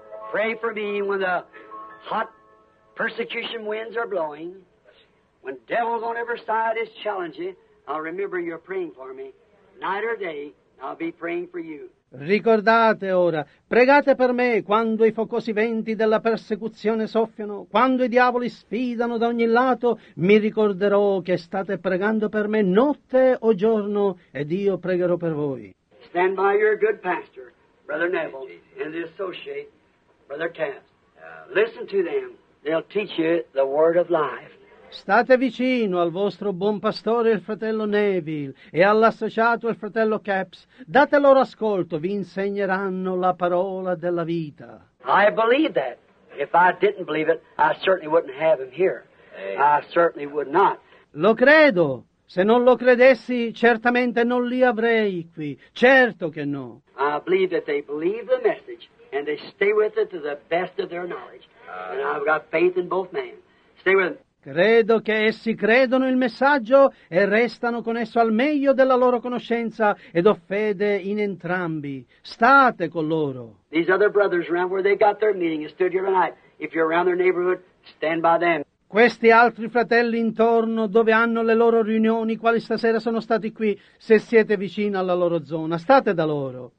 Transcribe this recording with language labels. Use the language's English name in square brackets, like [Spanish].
[English] pray for me when the hot persecution winds are blowing. When devils on every side is challenging, I'll remember you're praying for me. Night or day, I'll be praying for you. [Italian] Ricordate ora, pregate per me quando i focosi venti della persecuzione soffiano, quando i diavoli sfidano da ogni lato, mi ricorderò che state pregando per me notte o giorno, ed io pregherò per voi. [English] Stand by your good pastor, Brother Neville, and the associate, Brother Taft. Listen to them, they'll teach you the word of life. [Italian] State vicino al vostro buon pastore, il fratello Neville, e all'associato, il fratello Capps. Date loro ascolto, vi insegneranno la parola della vita. [English] I believe that. If I didn't believe it, I certainly wouldn't have him here. I certainly would not. [Italian] Lo credo. Se non lo credessi, certamente non li avrei qui. Certo che no. [English] I believe that they believe the message, and they stay with it to the best of their knowledge. And I've got faith in both men. Stay with them. [Italian] Credo che essi credono il messaggio e restano con esso al meglio della loro conoscenza ed ho fede in entrambi. State con loro. [English] These other brothers around where they got their meeting and stood here tonight. If you're around their neighborhood, stand by them. [Italian] Questi altri fratelli intorno dove hanno le loro riunioni, quali stasera sono stati qui, se siete vicino alla loro zona, state da loro.